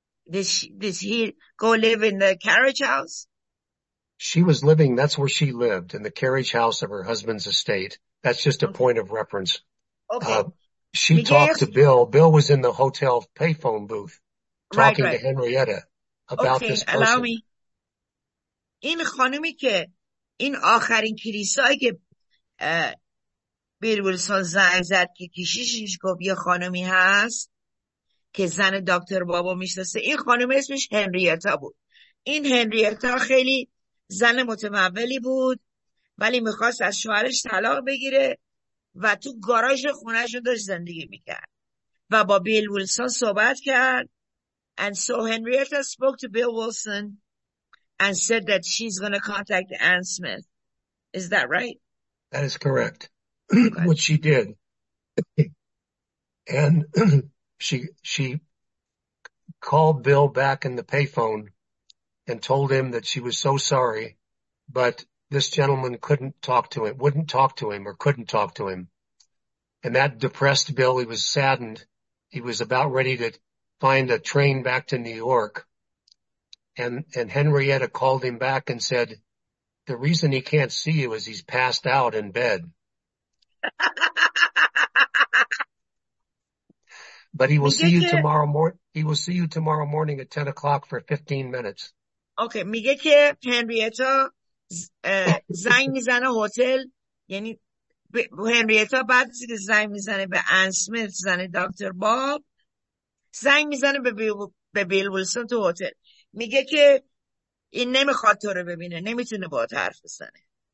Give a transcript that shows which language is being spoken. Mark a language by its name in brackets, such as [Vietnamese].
[English] Did he go live in the carriage house? She was living, that's where she lived, in the carriage house of her husband's estate. That's just a point of reference. Okay. She talked to Bill. Bill was in the hotel payphone booth talking to Henrietta about this person. Okay, allow me. [Persian] این خانمی که این آخرین کلیسایی که بیربلسان زنگ زد که کشیشش گفت یه خانمی هست که زن دکتر بابا میشناسه. این خانم اسمش هنریتا بود. این هنریتا خیلی زن متمولی بود ولی میخواست از شوهرش طلاق بگیره و تو گاراژ خونهشون داشت زندگی میکرد و با بیل ویلسون صحبت کرد. [English] And so Henrietta spoke to Bill Wilson and said that she's going to contact Ann Smith. Is that right? That is correct. Okay. What she did. And she called Bill back in the payphone and told him that she was so sorry, but this gentleman couldn't talk to him, wouldn't talk to him or couldn't talk to him. And that depressed Bill. He was saddened. He was about ready to find a train back to New York. And Henrietta called him back and said, the reason he can't see you is he's passed out in bed. But he will see you tomorrow morning. He will see you tomorrow morning at 10 o'clock for 15 minutes. [Persian] Okay, میگه که هنریتا زنگ میزنه هتل، یعنی هنریتا بعد از اینکه زنگ میزنه به آن اسمیت، زن دکتر باب، زنگ میزنه به بیل ویلسون تو هتل، میگه که این نمیخواد تو رو ببینه، نمیتونه با تو حرف بزنه.